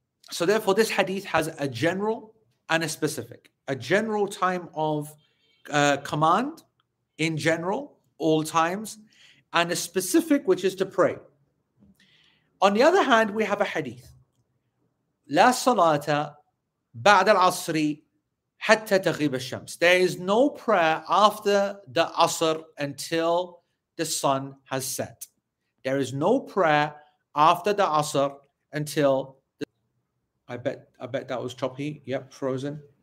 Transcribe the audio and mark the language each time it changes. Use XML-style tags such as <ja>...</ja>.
<en>So therefore, this hadith has a general and a specific. A general time of command in general, all times, and a specific, which is to pray. On the other hand, we have a hadith.</en> <ar>لا صلاة بعد العصر حتى تغيب الشمس.</ar> <en>There is no prayer after the Asr until the sun has set. There is no prayer after the Asr until the... I bet that was choppy. Yep, frozen.</en>